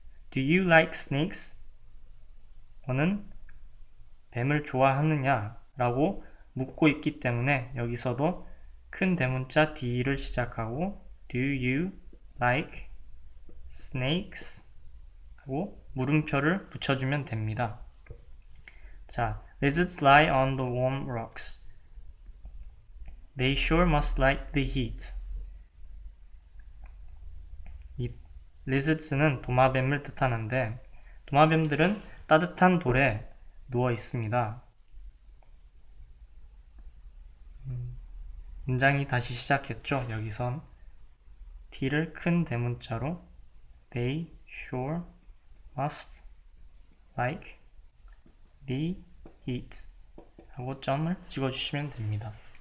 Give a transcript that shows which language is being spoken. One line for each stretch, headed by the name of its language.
English: Do you like snakes?
Korean: 너는 뱀을 좋아하느냐? 라고 묻고 있기 때문에 여기서도 큰 대문자 D를 시작하고
English: Do you like snakes?
Korean: 하고 물음표를 붙여주면 됩니다.
English: 자, lizards lie on the warm rocks. They sure must like the heat.
Korean: 이 lizards는 도마뱀을 뜻하는데, 도마뱀들은 따뜻한 돌에 누워 있습니다. 문장이 다시 시작했죠. 여기선 T를 큰 대문자로
English: They sure must like the heat
Korean: 하고 점을 찍어주시면 됩니다.